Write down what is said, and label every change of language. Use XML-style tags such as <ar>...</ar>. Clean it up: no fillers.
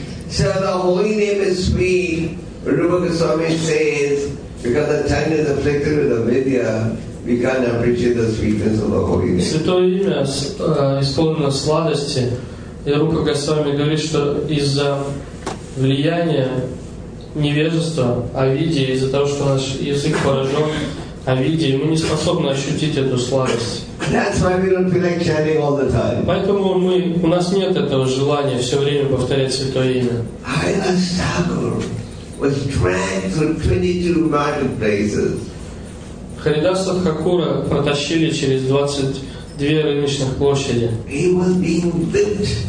<en>So the holy name is sweet, Rupa Goswami says, because the tongue is afflicted with avidya, we can't appreciate the sweetness of the holy name.</en> <ru>Святое имя исполнено сладости, и Рупа Госвами говорит, что из-за влияние невежества, авидии, из-за того, что наш язык поражен авидией, мы не способны ощутить эту сладость.</ru> <en>That's why we don't feel like chanting all the time.</en> <ru>Поэтому мы, у нас нет этого желания все время повторять Святое Имя.</ru> <en>Кайлас Тхакур was dragged from 22 mountain places.</en> <ru>Харидаса Тхакура протащили через 22 рыночных площади.</ru> <en>He was being whipped.</en>